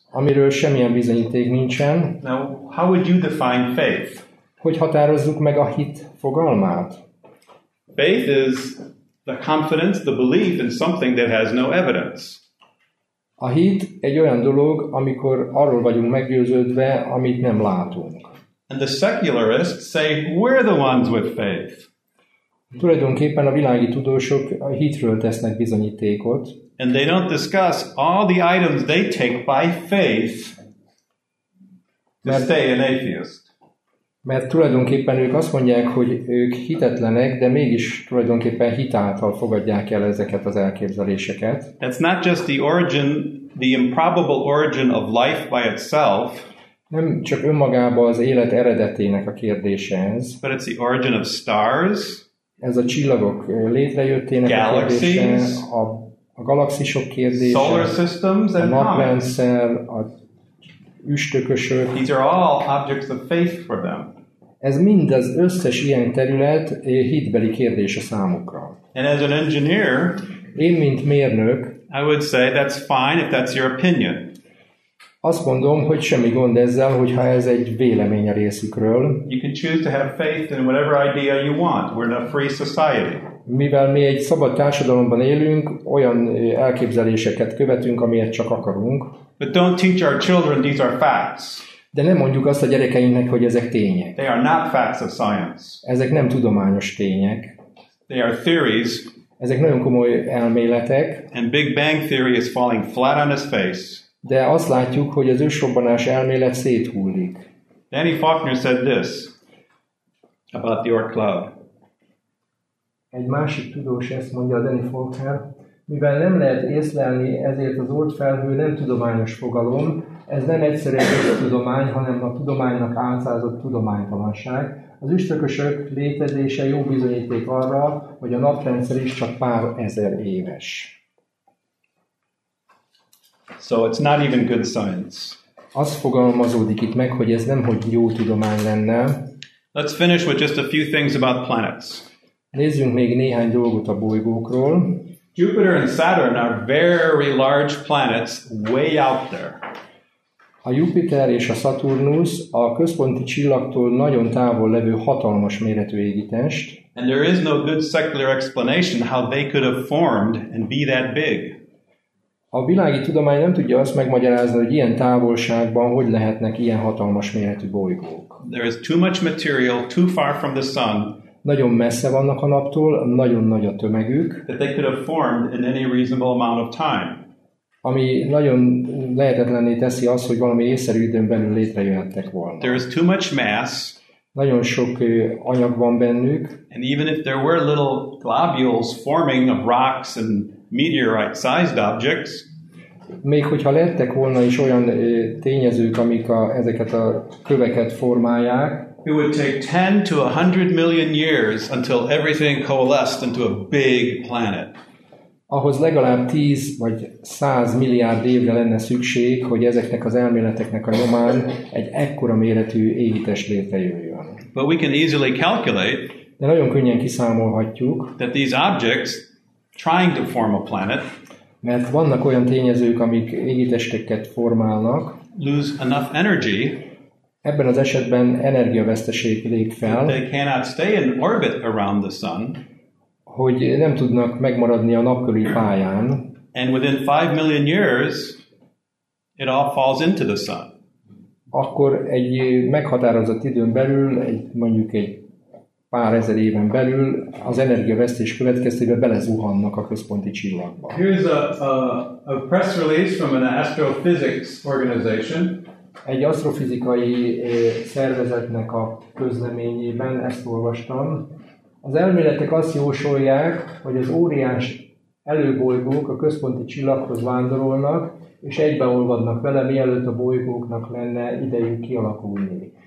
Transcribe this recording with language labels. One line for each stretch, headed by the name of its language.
Hungarian: amiről semmilyen bizonyíték nincsen.
English: Now, how would you define faith?
Hungarian: Hogy határozzuk meg a hit fogalmát?
English: Faith is the confidence, the belief in something that has no evidence.
Hungarian: A hit egy olyan dolog, amikor arról vagyunk meggyőződve, amit nem látunk.
English: And the secularists say we're the ones with faith.
Hungarian: Tulajdonképpen a világi tudósok a hitről tesznek bizonyítékot.
English: And they don't discuss all the items they take by faith to stay an atheist.
Hungarian: Mert tulajdonképpen ők azt mondják, hogy ők hitetlenek, de mégis tulajdonképpen hitáltal fogadják el ezeket az elképzeléseket.
English: That's not just the origin, the improbable origin of life by itself.
Hungarian: Nem csak önmagában az élet eredetének a kérdése ez.
English: But it's the origin of stars.
Hungarian: Ez a csillagok létrejöttének
English: galaxies,
Hungarian: a kérdése, a galaxisok kérdése,
English: solar systems and
Hungarian: a naprendszer, a üstökösök.
English: These are all objects of faith for them.
Hungarian: Ez mind az összes ilyen terület hitbeli kérdése számukra.
English: And as an engineer,
Hungarian: én mint mérnök,
English: I would say that's fine if that's your opinion.
Hungarian: Azt mondom, hogy semmi gond ezzel, hogyha ez egy vélemény a részükről.
English: You can choose to have faith in whatever idea you want. We're in a free society.
Hungarian: Mivel mi egy szabad társadalomban élünk, olyan elképzeléseket követünk, amiért csak akarunk.
English: But don't teach our children these are facts.
Hungarian: De nem mondjuk azt a gyerekeinknek, hogy ezek tények.
English: They are not facts of science.
Hungarian: Ezek nem tudományos tények.
English: They are theories.
Hungarian: Ezek nagyon komoly elméletek.
English: And Big Bang theory is falling flat on his face.
Hungarian: De azt látjuk, hogy az ősrobbanás elmélet széthullik.
English: Danny Faulkner said this about the Oort cloud.
Hungarian: Egy másik tudós ezt mondja, Danny Faulkner. Mivel nem lehet észlelni, ezért az Oort felhő nem tudományos fogalom, ez nem egyszerűen egy tudomány, hanem a tudománynak álcázott tudománytalanság. Az üstökösök létezése jó bizonyíték arra, hogy a naprendszer is csak pár ezer éves.
English: So it's not even good science.
Hungarian: Azt fogalmazódik itt meg, hogy ez nem hogy jó tudomány lenne.
English: Let's finish with just a few things about planets.
Hungarian: Nézzünk még néhány dolgot a bolygókról.
English: Jupiter and Saturn are very large planets way out there.
Hungarian: A Jupiter és a Saturnus a központi csillagtól nagyon távol levő hatalmas méretű égitest.
English: And there is no good secular explanation how they could have formed and be that big.
Hungarian: A világi tudomány nem tudja azt megmagyarázni, hogy ilyen távolságban hogy lehetnek ilyen hatalmas méretű bolygók.
English: There is too much material too far from the sun.
Hungarian: Nagyon messze vannak a naptól, nagyon nagy a tömegük.
English: That they could have formed in any reasonable amount of time.
Hungarian: Ami nagyon lehetetlenné teszi azt, hogy valami észszerű időn belül létrejöhettek volna.
English: There is too much mass.
Hungarian: Nagyon sok anyag van bennük.
English: And even if there were little globules forming of rocks and meteorite-sized objects.
Hungarian: Még hogyha lettek volna is olyan tényezők, amik ezeket a köveket formálják.
English: It would take 10 to 100 million years until everything coalesced into a big planet.
Hungarian: Ahhoz legalább 10 vagy 100 milliárd évre lenne szükség, hogy ezeknek az elméleteknek a nyomán egy ekkora méretű égitest létrejöjjön.
English: But we can easily calculate.
Hungarian: De nagyon könnyen kiszámolhatjuk.
English: That these objects trying to form a planet.
Hungarian: Mert vannak olyan tényezők, amik égitesteket formálnak.
English: Lose enough energy.
Hungarian: Ebben az esetben energiaveszteség lép fel.
English: They cannot stay in orbit around the sun.
Hungarian: Hogy nem tudnak megmaradni a napköri pályán.
English: And within 5 million years it all falls into the sun.
Hungarian: Akkor egy meghatározott időn belül, mondjuk egy pár ezer éven belül az energiavesztés következtében belezuhannak a központi csillagba.
English: Here's a press release from an astrophysics organization.
Hungarian: Egy asztrofizikai szervezetnek a közleményében ezt olvastam. Az elméletek azt jósolják, hogy az óriás előbolygók a központi csillaghoz vándorolnak, és egybeolvadnak vele, mielőtt a bolygóknak lenne idejük kialakulni.